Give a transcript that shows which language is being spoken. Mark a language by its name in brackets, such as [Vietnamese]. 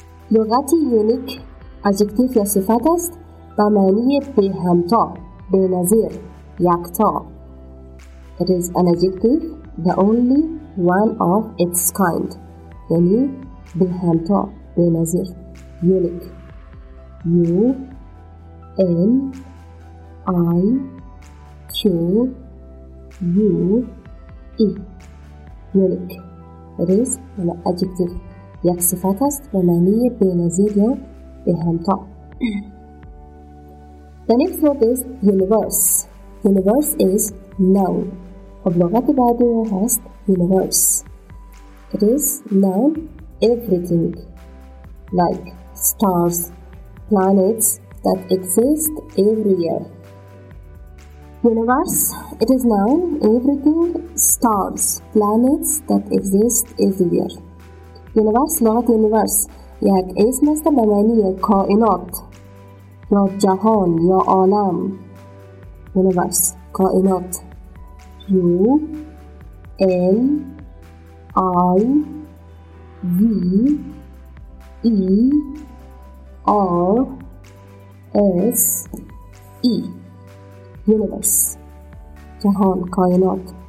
[Persian] لغت unique adjective یا صفت است با معنی به همتا، به نظیر، یکتا. [English] It is an adjective, the only one of its kind. [Persian] یعنی به همتا، به نظیر. Unique. [English] U N I Q U E. Unique. It is an adjective. [Persian] یک صفت است به معنی به نظیر یا به همتا. [English] The next word is universe. Universe is noun. [Persian] اب لغت بعدی هست universe. [English] It is noun everything like stars, planets that exist everywhere. Universe, it is noun everything, stars, planets that exist everywhere. [Persian] Universe, لغت universe یک اسم است به معنی کائنات یا جهان یا عالم. Universe, کائنات. U N I V E R S E Universe جهان، کائنات.